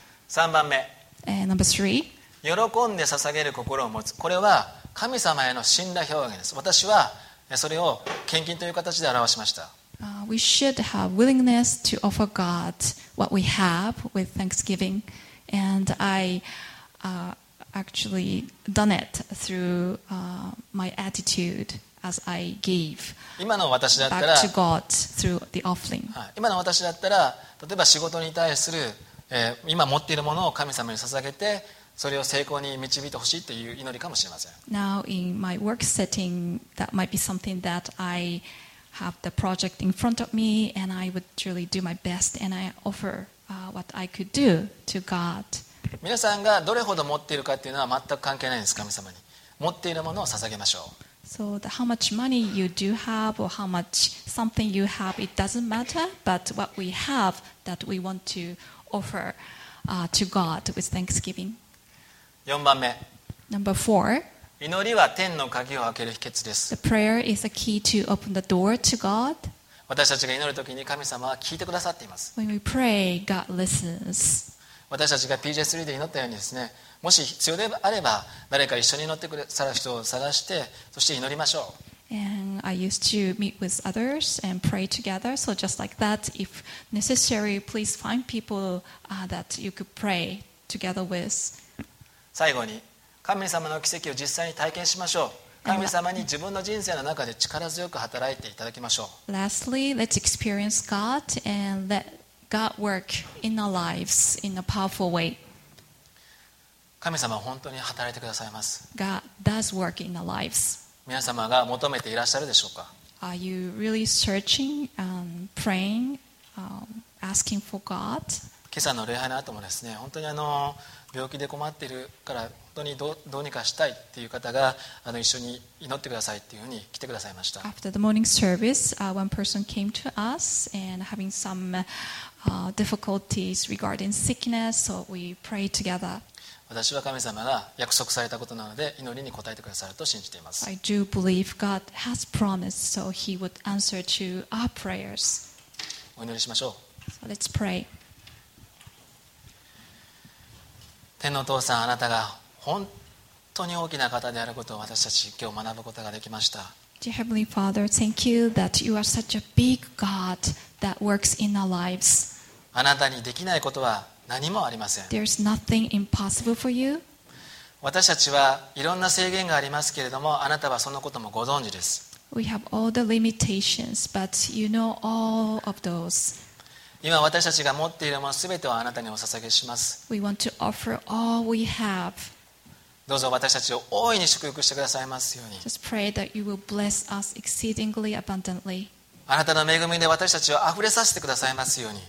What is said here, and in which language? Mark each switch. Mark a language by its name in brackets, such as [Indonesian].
[Japanese] 3番目、 [English] number three. [Japanese] 喜んで捧げる心を持つ、これは神様への信頼表現です。私はそれを献金という形で表しました。 [English] We should have willingness to offer God what we have with thanksgiving, and I actually done it through my attitude as I gave back to God through the offering. [Japanese] 今の私だったら、例えば仕事に対する今持っているものを神様に捧げて、それを成功に導いてほしいという祈りかもしれません。 [English] Now in my work setting, that might be something that I have the project in front of me, and I would truly do my best, and I offer what I could do to God. [Japanese] 皆さんがどれほど持っているかというのは全く関係ないんです。神様に持っているものを捧げましょう。 [English] So the how much money you do have or how much something you have, it doesn't matter. But what we have that we want toOffer to God with thanksgiving. [Japanese] 4番目。 [English] Number four. [Japanese] 祈りは天の鍵を開ける秘訣です。 [English] The prayer is a key to open the door to God. [Japanese] 私たちが祈るときに神様は聞いてくださっています。 [English] When we pray, God listens. [Japanese] 私たちが PJ3 で祈ったようにですね、もし必要であれば誰か一緒に祈ってくださる人を探して、そして祈りましょう。 [English] And I used to meet with others and pray together. So just like that, if necessary, please find people that you could pray together with. [Japanese] 最後に、神様の奇跡を実際に体験しましょう。神様に自分の人生の中で力強く働いていただきましょう。 [English] Lastly, let's experience God and let God work in our lives in a powerful way. [Japanese] 神様は本当に働いてくださいます。 [English] God does work in our lives. [Japanese] 皆様が求めていらっしゃるでしょうか。 [English] Are you really searching and praying, asking for God? [Japanese] 今朝の礼拝の後もですね、本当に病気で困っているから本当に どうにかしたいっていう方が一緒に祈ってくださいっていうふうに来てくださいました。 [English] After the morning service, one person came to us and having some difficulties regarding sickness, so we prayed together. [Japanese] 私は神様が約束されたことなので祈りに応えてくださると信じています。 [English] I do believe God has promised, so He would answer to our prayers. [Japanese] お祈りしましょう。 [English] So let's pray. [Japanese] 天のお父さん、あなたが本当に大きな方であることを私たち今日学ぶことができました。 [English] Dear Heavenly Father, thank you that you are such a big God that works in our lives. [Japanese] あなたにできないことは何もありません。 [English] There's nothing impossible for you. [Japanese] 私たちはいろんな制限がありますけれども、あなたはそのこともご存知です。 [English] We have all the limitations, but you know all of those. [Japanese] 今私たちが持っているものすべてをあなたにお捧げします。 [English] We want to offer all we have. [Japanese] どうぞ私たちを大いに祝福してくださいますように。 [English] Just pray that you will bless us exceedingly abundantly. [Japanese] あなたの恵みで私たちをあふれさせてくださいますように。